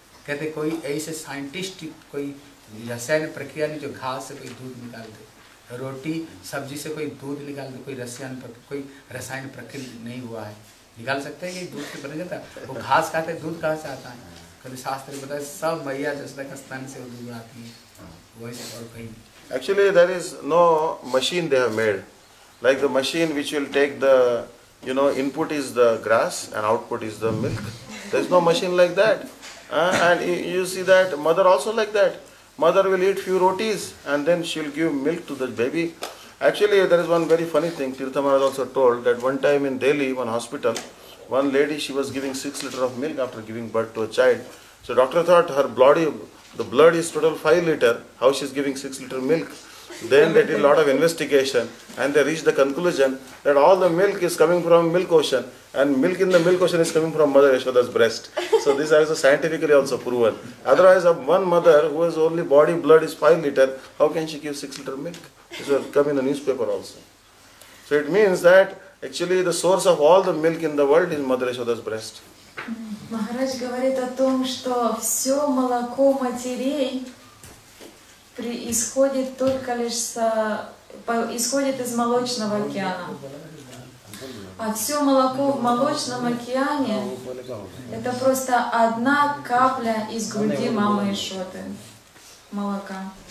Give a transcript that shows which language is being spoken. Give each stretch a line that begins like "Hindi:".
Hindi: कहते कोई ऐसे साइंटिस्ट कोई रसायन प्रक्रिया नहीं जो घास से कोई दूध निकाल दे, रोटी सब्जी से कोई दूध निकाल दे, कोई रसायन प्रक्रिया नहीं हुआ है, निकाल सकते हैं कि दूध से बन जाता है? वो घास खाते दूध कहाँ से आता है? कहते शास्त्र बताए सब मैया जसदा का स्तन से दूध आती है, वैसे और कहीं नहीं.
English: Actually, there is no machine they have made. Like the machine which will take the, you know, input is the grass and output is the milk. There is no machine like that. And you see that mother also like that. Mother will eat few rotis and then she'll give milk to the baby. Actually, there is one very funny thing. Tirtha Maharaj also told that one time in Delhi, one hospital, one lady, she was giving 6 liters of milk after giving birth to a child. So doctor thought her blood is total 5 liters. How she's giving 6 liters milk? Then they did a lot of investigation and they reached the conclusion that all the milk is coming from milk ocean. And milk in the milk ocean is coming from Mother Yashoda's breast. So this is scientifically also proven. Otherwise, one mother who has only body blood is 5 liters, how can she give 6 liters milk? This will come in the newspaper also. So it means that actually the source of all the milk in the world is Mother Yashoda's breast.
Russian: Maharaj говорит о том, что все молоко матерей исходит только лишь исходит из молочного океана. А все молоко в молочном океане – это просто одна капля из груди мамы Яшоды, молока.